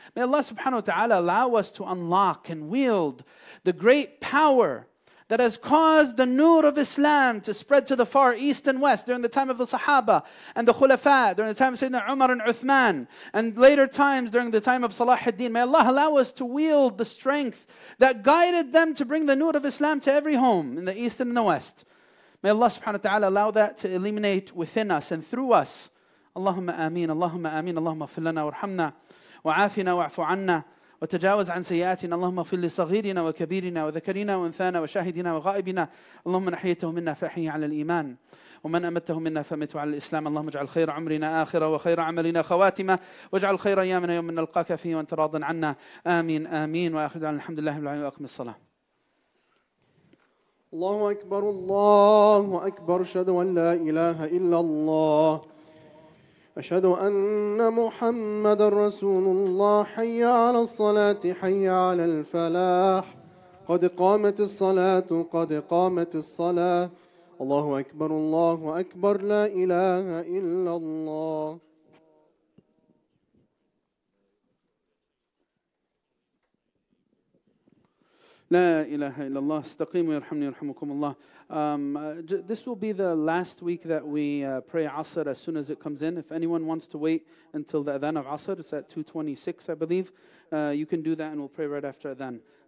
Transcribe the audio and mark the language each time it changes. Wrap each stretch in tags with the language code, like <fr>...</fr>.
<en>May Allah subhanahu wa ta'ala allow us to unlock and wield the great power that has caused the nur of Islam to spread to the far east and west during the time of the Sahaba and the Khulafa, during the time of Sayyidina Umar and Uthman, and later times during the time of Salah ad-Din. May Allah allow us to wield the strength that guided them to bring the nur of Islam to every home in the east and in the west. May Allah subhanahu wa ta'ala allow that to illuminate within us and through us.</en> <ar>اللهم آمين اللهم آمين اللهم اغفر لنا وارحمنا وعافنا واعف عنا وتجاوز عن سيئاتنا اللهم اغفر لصغيرنا وكبيرنا وذكرنا وانثانا وشاهدنا وغائبنا اللهم من احييته منا فاحيه على الايمان ومن امته منا فمته على الاسلام اللهم اجعل خير عمرنا اخره وخير عملنا خواتمه واجعل خير ايامنا يوم نلقاك فيه وانت راض عنا امين امين واخر دعوانا الحمد لله رب العالمين واقم الصلاه الله اكبر الله اكبر اشهد ان لا اله الا الله أشهد أن محمد رسول الله حي على الصلاة حي على الفلاح قد قامت الصلاة قد قامت الصلاة الله أكبر الله أكبر لا إله إلا الله لا إله إلا الله استقيموا يرحمني يرحمكم الله.</ar> <en>This will be the last week that we pray Asr as soon as it comes in. If anyone wants to wait until the Adhan of Asr, it's at 2:26, I believe. You can do that and we'll pray right after Adhan.</en>